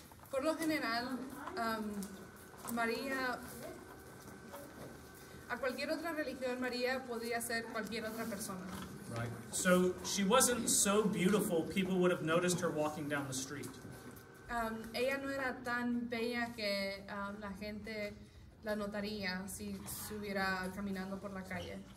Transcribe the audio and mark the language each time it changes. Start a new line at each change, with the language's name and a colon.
Spanish: Por lo general, María, a cualquier otra religión, María podría ser cualquier otra persona.
English: Right. So she wasn't so beautiful, people would have noticed her walking down the street.
Spanish: Ella no era tan bella que la gente la notaría si estuviera caminando por la calle.